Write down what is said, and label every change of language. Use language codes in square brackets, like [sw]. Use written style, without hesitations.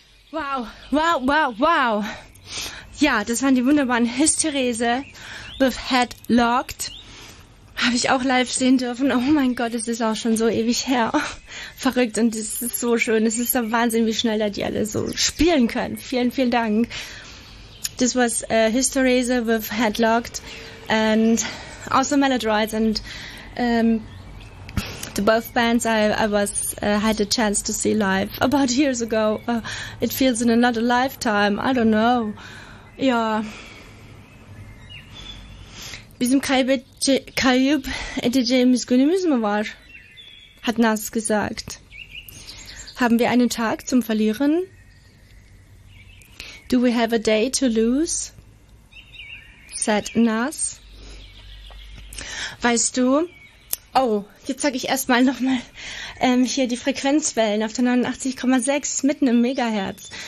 [de] Wow. Ja, das waren die wunderbaren Hysterese with Head Locked. Habe ich auch live sehen dürfen. Oh mein Gott, es ist auch schon so ewig her. Verrückt, und es ist so schön. Es ist so Wahnsinn, wie schnell da die alle so spielen können. Vielen, vielen Dank. [en] This was Hysterese with Head Locked and also Maladroids and the both bands I had a chance to see live about years ago. It feels in another lifetime. I don't know. Ja. [tr] Bizim kayıp edeceğimiz günümüz mü var? [de] Hat Nas gesagt. Haben wir einen Tag zum Verlieren? [en] Do we have a day to lose? Said Nas. [de] Weißt du? Oh, jetzt sage ich erstmal nochmal hier die Frequenzwellen auf der 89,6 mitten im Megahertz.